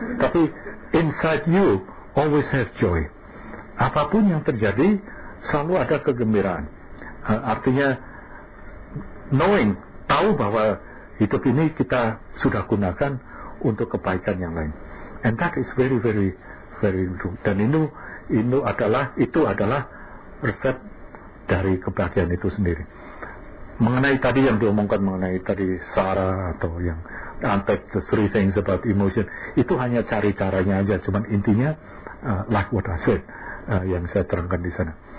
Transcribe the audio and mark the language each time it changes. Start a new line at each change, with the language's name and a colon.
Indonesian: Tapi
English: inside you always have joy.
Indonesian: Apapun yang terjadi selalu ada kegembiraan. Artinya knowing, tahu bahwa hidup ini kita sudah gunakan untuk kebaikan yang lain.
English: And that is very very very true.
Indonesian: Dan itu adalah resep dari kebahagiaan itu sendiri. Mengenai tadi yang diomongkan mengenai tadi Sarah atau yang antek
English: the three things about emotion,
Indonesian: itu hanya cari caranya aja. Cuman intinya
English: like what I said,
Indonesian: yang saya terangkan di sana.